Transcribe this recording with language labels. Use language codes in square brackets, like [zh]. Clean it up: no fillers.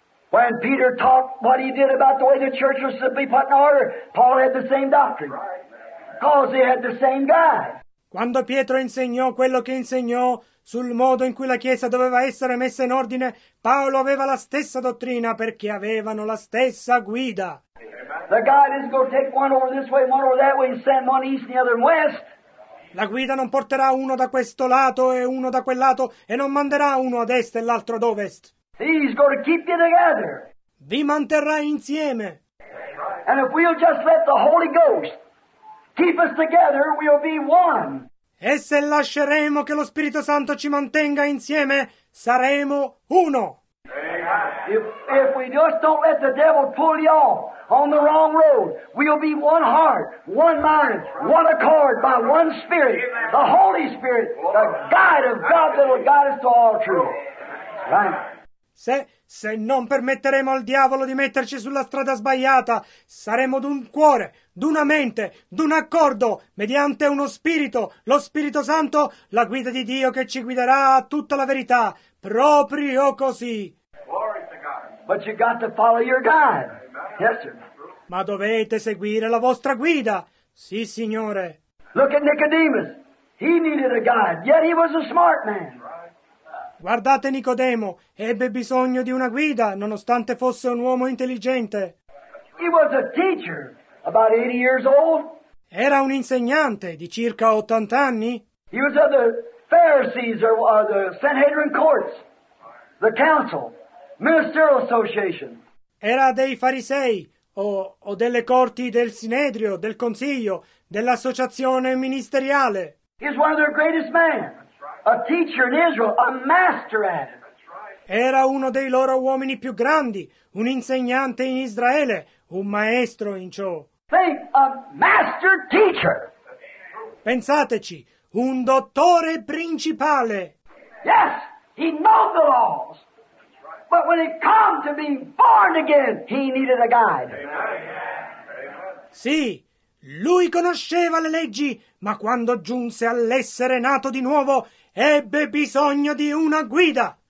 [en] When Peter taught what he did about the way the church was to be put in order, Paul had the same doctrine. Because he had the same God. [it] Quando Pietro insegnò quello che insegnò sul modo in cui la Chiesa doveva essere messa in ordine, Paolo aveva la stessa dottrina perché avevano la stessa guida. [en] The God isn't going to take one over this way, one over that way, and send one east and the other west. [it] La guida non porterà uno da questo lato e uno da quel lato e non manderà uno ad est e l'altro ad ovest. [en] He's going to keep you together. [it] Vi manterrà insieme. [en] And if we'll just let the Holy Ghost keep us together, we'll be one. [it] E se lasceremo che lo Spirito Santo ci mantenga insieme, saremo uno. [en] If we just don't let the devil pull you off on the wrong road, we'll be one heart, one mind, one accord by one Spirit, the Holy Spirit, the guide of God that will guide us to all truth. Right? [it] Se non permetteremo al diavolo di metterci sulla strada sbagliata, saremo d'un cuore, d'una mente, d'un accordo, mediante uno spirito, lo Spirito Santo, la guida di Dio che ci guiderà a tutta la verità, proprio così. [en] But you got to follow your God. Yes, sir. [it] Ma dovete seguire la vostra guida. Sì, Signore. [en] Look at Nicodemus. He needed a guide, yet he was a smart man. [it] Guardate Nicodemo, ebbe bisogno di una guida, nonostante fosse un uomo intelligente. [en] He was a teacher, about 80 years old. [it] Era un insegnante di circa 80 anni. [en] He was of the Pharisees or the Sanhedrin courts, the council, ministerial association. [it] Era dei farisei o delle corti del Sinedrio, del consiglio, dell'associazione ministeriale. [en] He was one of their greatest men. A teacher in Israel, a master at it. [it] Era uno dei loro uomini più grandi, un insegnante in Israele, un maestro in ciò. [en] Think, a master teacher. [it] Pensateci, un dottore principale. [en] Yes, he knew the laws. But when it came to being born again, he needed a guide. [it] Sì. Lui conosceva le leggi, ma quando giunse all'essere nato di nuovo, ebbe bisogno di una guida.